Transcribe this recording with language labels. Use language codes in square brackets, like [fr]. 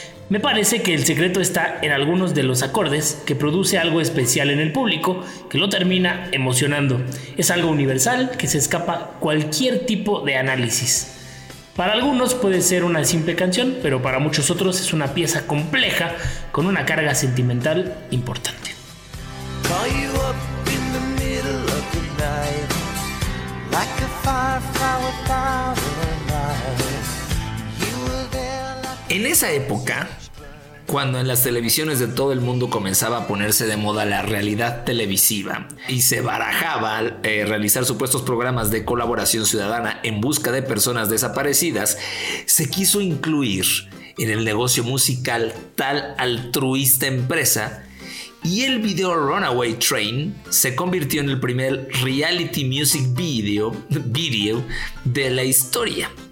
[es] Me parece que el secreto está en algunos de los acordes, que produce algo especial en el público que lo termina emocionando. Es algo universal que se escapa cualquier tipo de análisis. Para algunos puede ser una simple canción, pero para muchos otros es una pieza compleja con una carga sentimental importante. [en] Call you up in the middle of the night, like a firefly without a light. You were there like... [es] En esa época, cuando en las televisiones de todo el mundo comenzaba a ponerse de moda la realidad televisiva y se barajaba realizar supuestos programas de colaboración ciudadana en busca de personas desaparecidas, se quiso incluir en el negocio musical tal altruista empresa y el video Runaway Train se convirtió en el primer reality music video de la historia.